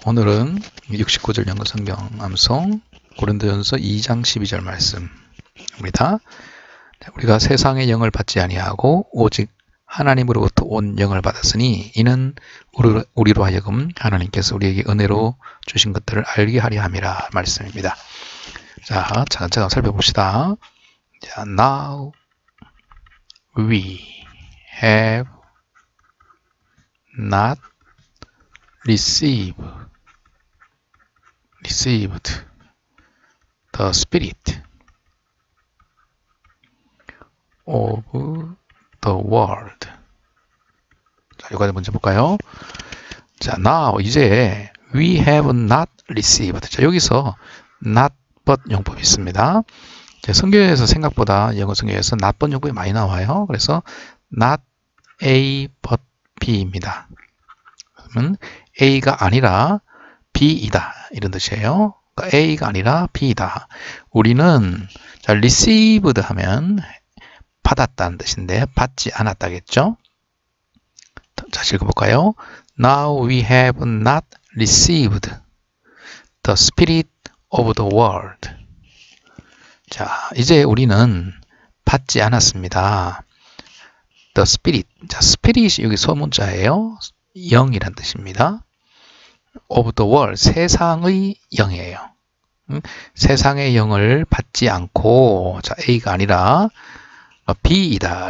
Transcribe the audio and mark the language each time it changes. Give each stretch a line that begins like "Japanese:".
Korean: 오늘은 69절 연구성경 암송 고린도전서 2장 12절 말씀입니다. 우리가 세상의 영을 받지 아니하고 오직 하나님으로부터 온 영을 받았으니 이는 우리로 하여금 하나님께서 우리에게 은혜로 주신 것들을 알게 하려 함이라 말씀입니다. 자, 차근차근 살펴봅시다.
English: 자, now we have not received the spirit of the world.
Korean: 자, 여기까지 먼저 볼까요?
English: 자, now, 이제, we have not received.
Korean: 자, 여기서 not but 용법이 있습니다. 자, 성경에서 생각보다 영어 성경에서 not but 용법이 많이 나와요. 그래서 not A but B입니다. 그러면 A가 아니라 B이다. 이런 뜻이에요. 그러니까 A가 아니라 B이다. 우리는 자, received 하면 받았다는 뜻인데 받지 않았다겠죠? 다시 읽어볼까요?
English: Now we have not received the spirit of the world.
Korean: 자, 이제 우리는 받지 않았습니다.
English: The spirit.
Korean: 자, spirit이 여기 소문자예요. 영이란 뜻입니다.
English: Of the world.
Korean: 세상의 영이에요. 세상의 영을 받지 않고, 자, A가 아니라 B이다.